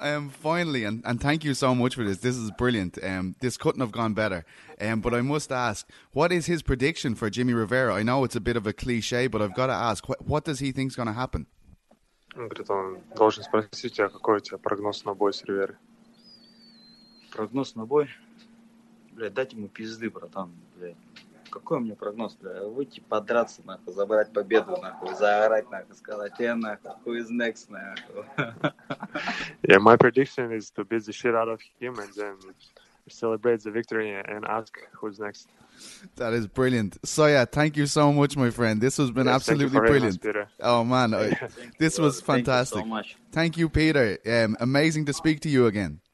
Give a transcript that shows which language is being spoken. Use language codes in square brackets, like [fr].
[en] Finally, and thank you so much for this. This is brilliant. This couldn't have gone better. But I must ask, what is his prediction for Jimmy Rivera? I know it's a bit of a cliche, but I've got to ask, what does he think is going to happen? [ru] Он говорит, он должен спросить тебя, какой у тебя прогноз на бой с Риверой. Прогноз на бой? Блядь, дать ему пизды, братан, блядь. Какой у меня прогноз, блядь? Выйти подраться, нахуй, забрать победу, нахуй, заорать, нахуй, сказать, я, нахуй, [en] who is next, [ru] нахуй. [en] Yeah, my prediction is to beat the shit out of him and then celebrate the victory and ask who's next. That is brilliant. So yeah, thank you so much, my friend. This has been absolutely brilliant. Us, oh man, this was fantastic. Thank you so much. Thank you, Peter. Amazing to speak to you again.